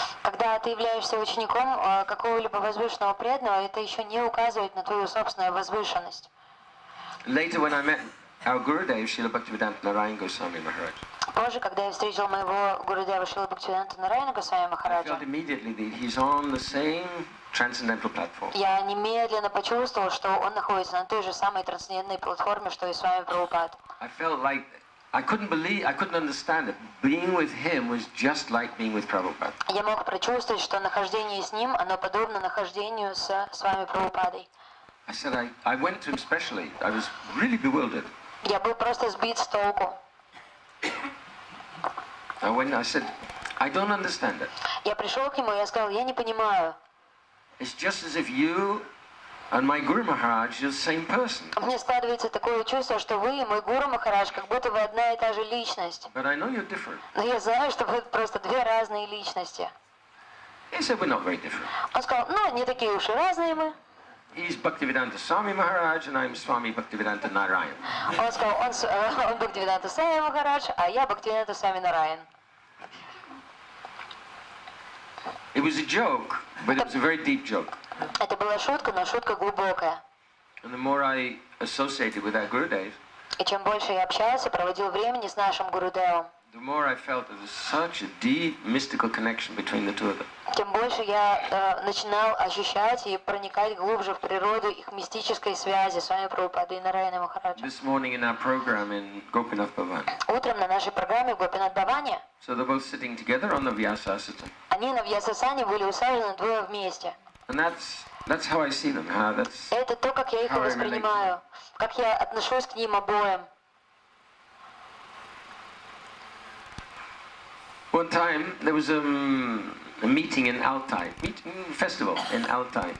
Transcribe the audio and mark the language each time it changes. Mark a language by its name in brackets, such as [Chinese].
[Russian] Когда ты являешься учеником какого-либо возвышенного преданного, это еще не указывает на твою собственную возвышенность. [English] Later, when I met our Gurudev, Srila Bhaktivedanta Narayan Goswami Maharaj. [Russian] Позже, когда я встретил моего Гурудева Шрилу Бхактивиданта Нараяна Госвами Махараджа, [English] I felt immediately that he's on the same transcendental platform. [Russian] Я немедленно почувствовал, что он находится на той же самой трансцендентной платформе, что и с вами Прабхупад. [English] I felt like I couldn't believe, I couldn't understand it. Being with him was just like being with Prabhupada. [Russian] Я мог прочувствовать, что нахождение с ним, оно подобно нахождению с вами Прабхупадой. [English] I said I went to him specially. I was really bewildered. [Russian] Я был просто сбит с толку. [English] I went. I said, I don't understand it. [Russian] Я пришел к нему и я сказал, я не понимаю. [English] It's just as if you and my Guru Maharaj are the same person. [Russian] Мне складывается такое чувство, что вы и мой Гуру Махарадж как будто вы одна и та же личность. [English] But I know you're different. [Russian] Но я знаю, что вы просто две разные личности. [English] He said we're not very different. [Russian] Он сказал, ну не такие уж и разные мы. [English] He's Bhaktivedanta Swami Maharaj, and I'm Swami Bhaktivedanta Narayan. [Russian] Он сказал, он Бхактивиданта Свами Махарадж, а я Бхактивиданта Свами Нараян. [English] It was a joke, but it was a very deep joke. [Russian] Это была шутка, но шутка глубокая. [English] And the more I associated with our Gurudev, [Russian] и чем больше я общался, проводил времени с нашим Гурудевом, [English] the more I felt that there's such a deep mystical connection between the two of them. [Russian] Тем больше я начинал ощущать и проникать глубже в природу их мистической связи с вами Прабхупадой и Нараяной Махараджа. [English] This morning in our program in Gopinath Bhavan. [Russian] Утром на нашей программе в Гопинат Бхаване. [English] So they're both sitting together on the Vyasasana. [Russian] Они на Вьясасане были усажены двое вместе. [English] And that's That's how I see them. How that's. [Russian] Это то, как я их воспринимаю, как я отношусь к ним обоим. [English] One time there was a meeting in Altai, meeting festival in Altai.